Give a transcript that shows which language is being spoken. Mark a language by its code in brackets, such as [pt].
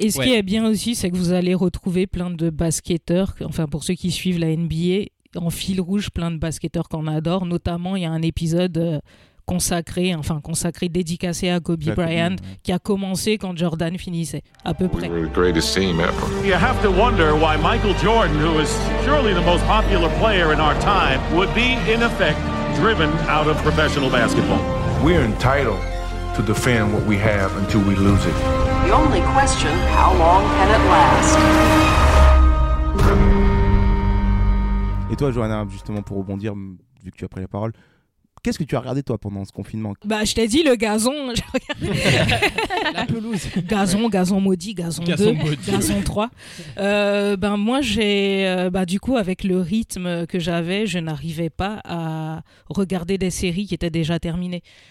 [fr] Et ce qui est bien aussi, c'est que vous allez retrouver plein de basketteurs. Enfin, pour ceux qui suivent la NBA, en fil rouge, plein de basketteurs qu'on adore. Notamment, il y a un épisode. Consacré, dédicacé à Kobe Bryant, qui a commencé quand Jordan finissait, à peu près. [en] You have to wonder why Michael Jordan, who is surely the most popular player in our time, would be in effect driven out of professional basketball. We're entitled to defend what we have until we lose it. The only question, how long can it last? [fr] Et toi, Johanna, justement pour rebondir, vu que tu as pris la parole. Qu'est-ce que tu as regardé, toi, pendant ce confinement ? Bah, je t'ai dit, le gazon. La pelouse. Gazon, ouais. Gazon maudit, gazon 2, gazon 3. Moi, j'ai, du coup, avec le rythme que j'avais, je n'arrivais pas à regarder des séries qui étaient déjà terminées.